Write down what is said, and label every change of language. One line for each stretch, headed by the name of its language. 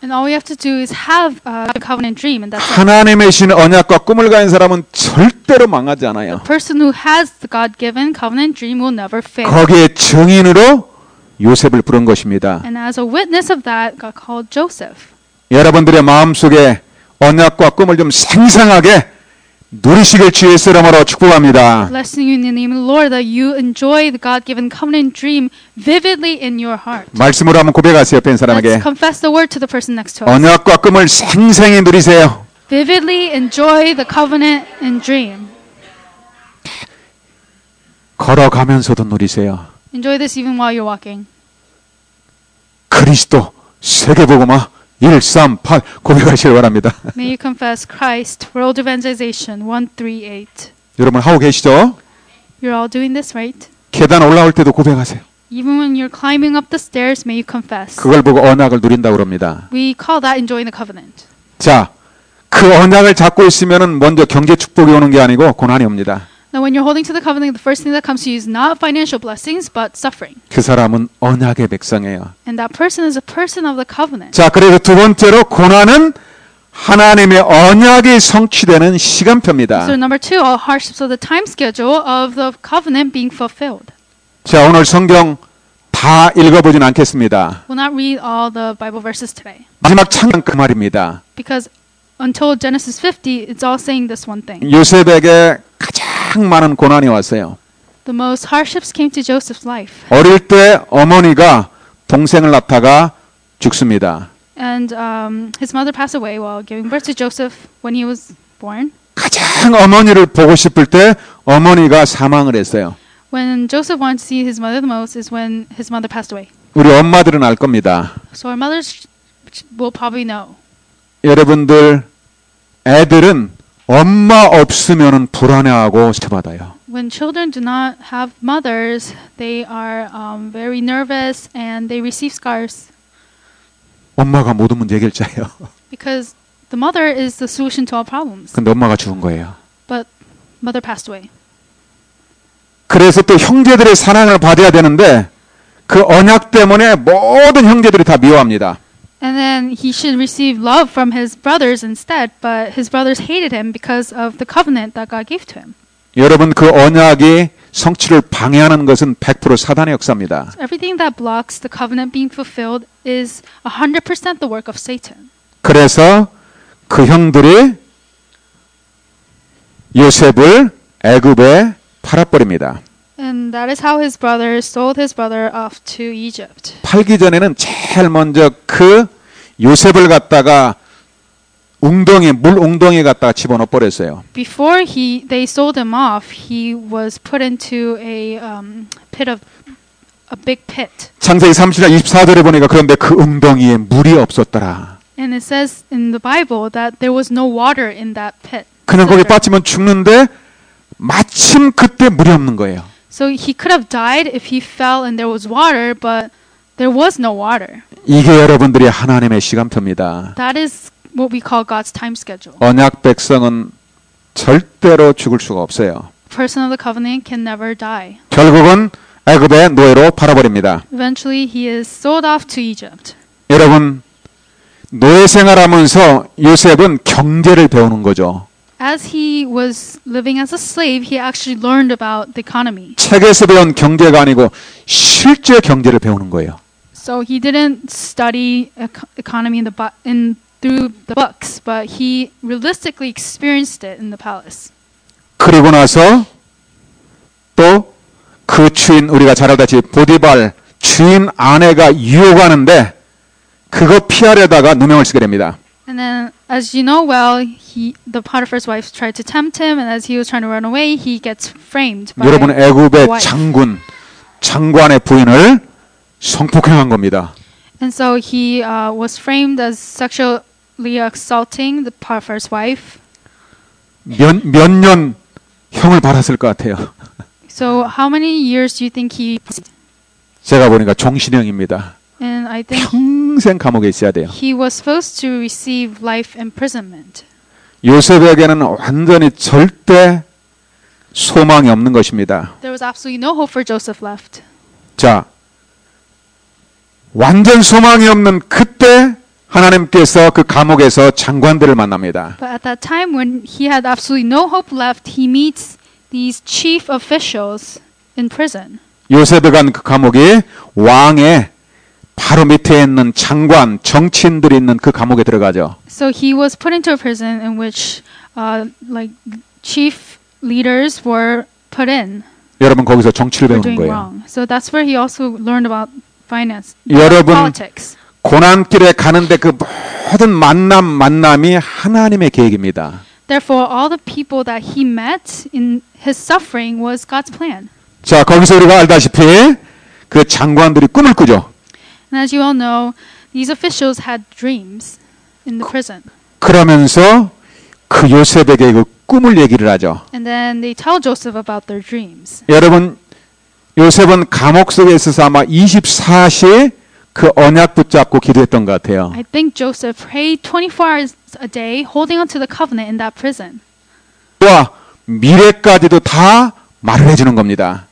English: And all you have to do is have a covenant dream and that's it.
Korean: 하나님이신 언약과 꿈을 가진 사람은 절대로 망하지 않아요.
English: The person who has the God-given covenant dream will never fail.
Korean: 거기에 증인으로 요셉을 부른 것입니다.
English: And as a witness of that, God called Joseph.
Korean: 여러분들의 마음속에 언약과 꿈을 좀 생생하게 누리시길 주의 이름으로 축복합니다.
English: Blessing you in the name of the Lord that you enjoy the God-given covenant dream vividly in your heart.
Korean: 말씀으로 한번 고백하세요, 옆에 있는 사람에게.
English: Let's confess the word to the person next to us.
Korean: 언약과 꿈을 생생히 누리세요.
English: Vividly enjoy the covenant and dream.
Korean: 걸어가면서도 누리세요.
English: Enjoy this even while you're walking.
Korean: 그리스도 세계복음화 138 고백하시길 바랍니다.
English: May you confess Christ World Evangelization 138.
Korean: 여러분 하고 계시죠?
English: You're all doing this right.
Korean: 계단 올라올 때도 고백하세요.
English: Even when you're climbing up the stairs, may you confess.
Korean: 그걸 보고 언약을 누린다 그럽니다.
English: We call that enjoying the covenant.
Korean: 자, 그 언약을 잡고 있으면은 먼저 경제 축복이 오는 게 아니고 고난이 옵니다.
English: Now when you're holding to the covenant, the first thing that comes to you is not financial blessings, but suffering.
Korean: 그 사람은 언약의 백성이에요.
English: And that person is a person of the covenant.
Korean: 자, 그리고 두 번째로 고난은 하나님의 언약이 성취되는 시간표입니다.
English: So number two, all hardships are the time schedule of the covenant being fulfilled.
Korean: 자, 오늘 성경 다 읽어보진 않겠습니다.
English: We'll not read all the Bible verses today.
Korean: 마지막 창간 그 말입니다.
English: Because until Genesis 50, it's all saying this one thing.
Korean: 요셉에게 가장 많은 고난이 왔어요.
English: The most hardships came to Joseph's life.
Korean: 어릴 때 어머니가 동생을 낳다가 죽습니다.
English: And his mother passed away while giving birth to Joseph when he was born.
Korean: 가장 어머니를 보고 싶을 때 어머니가 사망을 했어요.
English: When Joseph wanted to see his mother the most is when his mother passed away.
Korean: 우리 엄마들은 알 겁니다.
English: So our mothers will probably know.
Korean: 여러분들 애들은 엄마 없으면은 불안해하고 스트레스받아요.
English: When children do not have mothers, they are very nervous and they receive scars.
Korean: 엄마가 모든 문제 해결자예요.
English: Because the mother is the solution to all problems.
Korean: 근데 엄마가 죽은 거예요.
English: But mother passed away.
Korean: 그래서 또 형제들의 사랑을 받아야 되는데 그 언약 때문에 모든 형제들이 다 미워합니다.
English: And then he should receive love from his brothers instead, but his brothers hated him because of the covenant that God gave to him.
Korean: 여러분 그 언약의 성취를 방해하는 것은 100% 사단의 역사입니다.
English: So everything that blocks the covenant being fulfilled is 100% the work of Satan.
Korean: 그래서 그 형들이 요셉을 애굽에 팔아 버립니다.
English: And that is how his brother sold his brother off to Egypt.
Korean: 팔기 전에는 제일 먼저 그 요셉을 갖다가 웅덩이 물 웅덩이에 갖다가 집어넣어 버렸어요.
English: Before they sold him off, he was put into a pit of a big pit.
Korean: 창세기 30장 24절에 보니까 그런데 그 웅덩이에 물이 없었더라.
English: And it says in the Bible that there was no water in that pit.
Korean: 그냥 거기 빠지면 죽는데 마침 그때 물이 없는 거예요.
English: So he could have died if he fell and there was water, but there was no water.
Korean: 이게 여러분들이 하나님의 시간표입니다.
English: That is what we call God's time schedule.
Korean: 언약 백성은 절대로 죽을 수가 없어요.
English: Person of the covenant can never die.
Korean: 결국은 애굽의 노예로 팔아버립니다.
English: Eventually he is sold off to Egypt.
Korean: 여러분 노예 생활하면서 요셉은 경제를 배우는 거죠.
English: As he was living as a slave, he actually learned about the economy.
Korean: 책에서 배운 경제가 아니고 실제 경제를 배우는 거예요.
English: So he didn't study economy through the books, but he realistically experienced it in the palace.
Korean: 그리고 나서 또 그 주인 우리가 잘 알다시피 보디발 주인 아내가 유혹하는데 그거 피하려다가 누명을 쓰게 됩니다.
English: And then, as you know well, the Potiphar's wife tried to tempt him, and as he was trying to run away, he gets framed.
Korean: 여러분 애굽의 장군 장관의 부인을 성폭행한 겁니다.
English: And so he was framed as sexually assaulting the Potiphar's wife.
Korean: 몇 년 형을 받았을 것 같아요.
English: So how many years do you think he?
Korean: 제가 보니까 종신형입니다.
English: And I think
Korean: 평생 감옥에 있어야 돼요.
English: He was supposed to receive life imprisonment.
Korean: 요셉에게는 완전히 절대 소망이 없는 것입니다.
English: There was absolutely no hope for Joseph left.
Korean: 자. 완전 소망이 없는 그때 하나님께서 그 감옥에서 장관들을 만납니다.
English: But at that time when he had absolutely no hope left, he meets these chief officials in prison.
Korean: 요셉에 간 그 감옥이 왕의 바로 밑에 있는 장관, 정치인들이 있는 그 감옥에 들어가죠.
English: So he was put into a prison in which like chief leaders were put in.
Korean: 여러분 거기서 정치를 배운 거예요.
English: So that's where he also learned about finance.
Korean: 여러분 고난길에 가는데 그 모든 만남이 하나님의 계획입니다.
English: Therefore all the people that he met in his suffering was God's plan.
Korean: 자, 거기서 우리가 알다시피 그 장관들이 꿈을 꾸죠.
English: And as you all know, these officials had dreams in the prison.
Korean: 그러면서 그 요셉에게 그 꿈을 얘기를 하죠.
English: And then they tell Joseph about their dreams.
Korean: 여러분, 요셉은 감옥 속에 있어서 아마 24시 그 언약 붙잡고 기도했던 것 같아요.
English: I think Joseph prayed 24 hours a day, holding on to the covenant in that prison.
Korean: 와, 미래까지도 다 말을 해주는 겁니다.